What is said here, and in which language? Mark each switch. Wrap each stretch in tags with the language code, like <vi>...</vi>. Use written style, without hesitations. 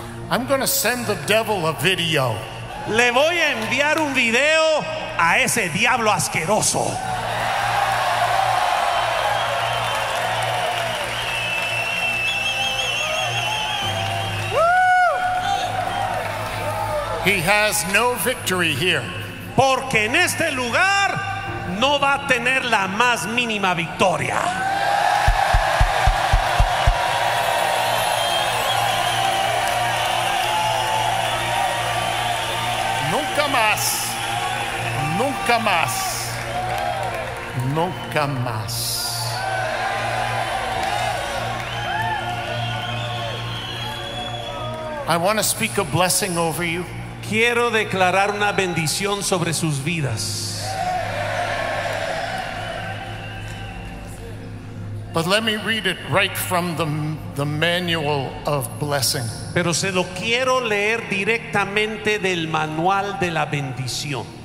<en>I'm going to send the devil a video.</en> <es>Le voy a enviar un video a ese diablo asqueroso.</es> <en>He has no victory here.</en> <es>Porque en este lugar no va a tener la más mínima victoria. Nunca más, nunca más.</es> <en>I want to speak a blessing over you.</en> <es>Quiero declarar una bendición sobre sus vidas.</es> <en>But let me read it right from the manual of blessing.</en> <es>Pero se lo quiero leer directamente del manual de la bendición.</es>